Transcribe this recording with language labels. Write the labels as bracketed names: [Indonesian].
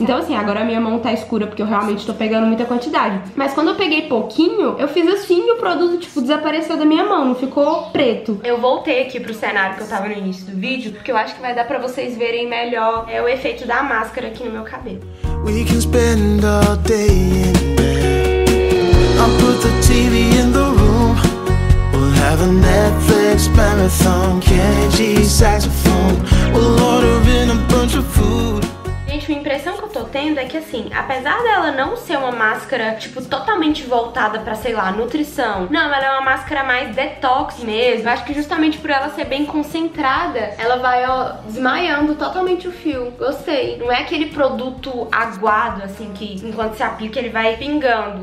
[Portuguese] Então assim, agora a minha mão tá escura porque eu realmente tô pegando muita quantidade. Mas quando eu peguei pouquinho, eu fiz assim e o produto, tipo, desapareceu da minha mão, ficou preto. Eu voltei aqui pro cenário que eu tava no início do vídeo, porque eu acho que vai dar pra vocês verem melhor o efeito da máscara aqui no meu cabelo. [English] We can spend all day in bed. I'll put the TV in the room. We'll have a Netflix marathon. Kenji saxophone. We'll order in a bunch of food. [Portuguese] Gente, uma impressão que eu tô tendo é que, assim, apesar dela não ser uma máscara, tipo, totalmente voltada pra, sei lá, nutrição, não, ela é uma máscara mais detox mesmo. Eu acho que justamente por ela ser bem concentrada, ela vai, ó, desmaiando totalmente o fio. Gostei. Não é aquele produto aguado, assim, que enquanto você aplica ele vai pingando.